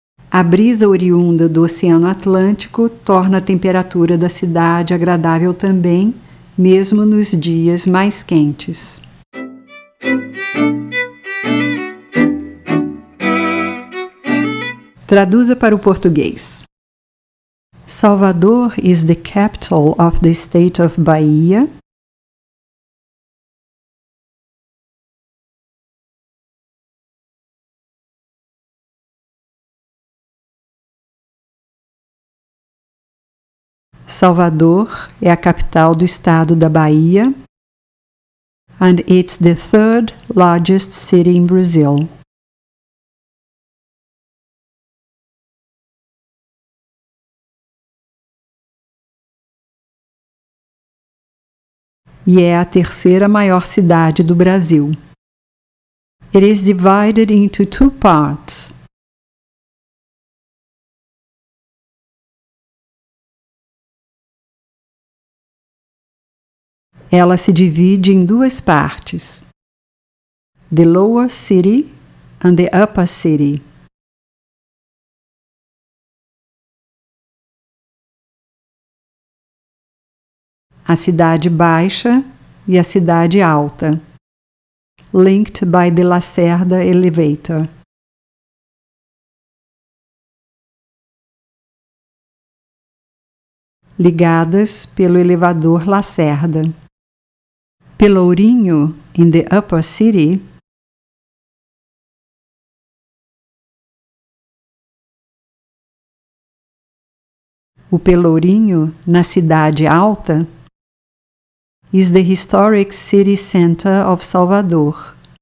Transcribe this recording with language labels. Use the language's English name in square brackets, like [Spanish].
[Portuguese] A brisa oriunda do Oceano Atlântico torna a temperatura da cidade agradável também, mesmo nos dias mais quentes. Traduza para o português. [English] Salvador is the capital of the state of Bahia. [Portuguese] Salvador é a capital do estado da Bahia. [English] And it's the third largest city in Brazil. [Portuguese] E é a terceira maior cidade do Brasil. [English] It is divided into two parts. [Portuguese] Ela se divide em duas partes. [English] The lower city and the upper city. [Portuguese] A cidade baixa e a cidade alta. [English] Linked by the Lacerda Elevator. [Portuguese] Ligadas pelo elevador Lacerda. [English] Pelourinho, in the upper city. [Portuguese] O Pelourinho, na cidade alta, [English] is the historic city center of Salvador.